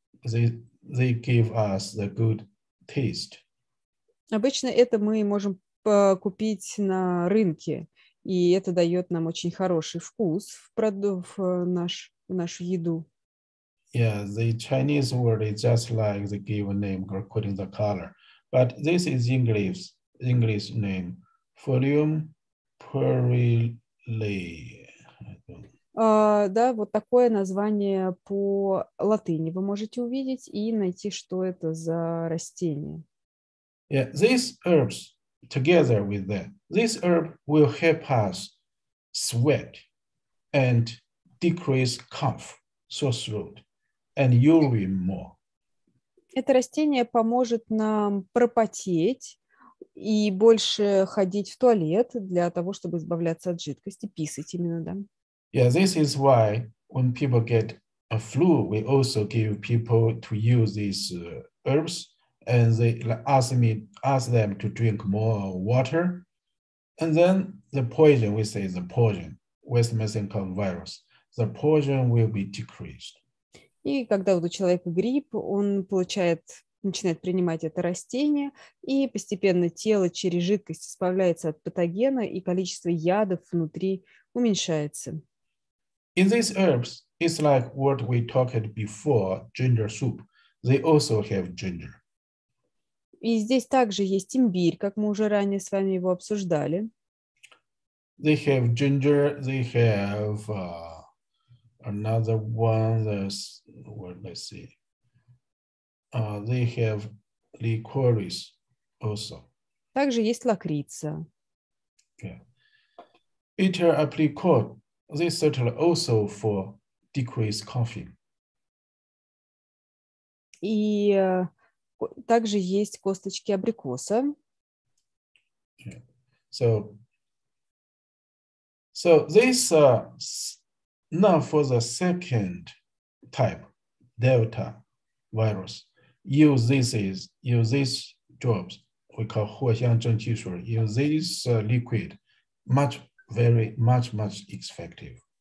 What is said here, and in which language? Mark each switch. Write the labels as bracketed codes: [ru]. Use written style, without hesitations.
[en] They give us the good taste. [ru] Обычно это мы можем купить на рынке. И это дает нам очень хороший вкус в нашу еду. [en] Yeah, the Chinese word is just like the given name according to the color. But this is English name. Folium perilae. [ru] Да, вот такое название по латыни вы можете увидеть и найти, что это за растение. [en] Yeah, these herbs. Together with that, this herb will help us sweat and decrease cough, sore throat, and urine more. [ru] Это растение поможет нам пропотеть и больше ходить в туалет для того, чтобы избавляться от жидкости, писать именно, да? [en] Yeah, this is why when people get a flu, we also give people to use these herbs. And they ask them to drink more water, and then the poison, we say the poison, West Mesenchymal virus, the poison will be decreased. [ru] И когда у человека грипп, он начинает принимать это растение, и постепенно тело через жидкость избавляется от патогена, и количество ядов внутри уменьшается. [en] In these herbs, it's like what we talked before, ginger soup. They also have ginger. [ru] И здесь также есть имбирь, как мы уже ранее с вами его обсуждали. [en] They have ginger, they have another one, that's, well, let's see. They have licorice also. [ru] Также есть лакрица. [en] Yeah. Bitter apricot, they certainly also for decrease coughing. [ru] И также есть косточки абрикоса. [en] Yeah. So this now for the second type, Delta virus. Use these drops, we call 藿香正气水, use this liquid, much effective.